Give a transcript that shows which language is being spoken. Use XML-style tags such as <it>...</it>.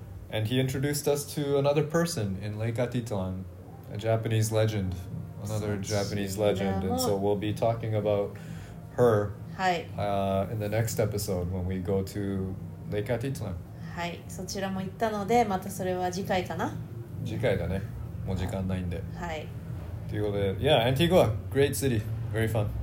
<en>And he introduced us to another person in Lake Atitlan, a Japanese legend, another Japanese legend. And so we'll be talking about her in the next episode when we go to Lake Atitlan.</en> <ja>はい、そちらも行ったので、またそれは次回かな？次回だね。もう時間ないんで。はい。</ja> <en>Yeah, Antigua, great city, very fun.</en>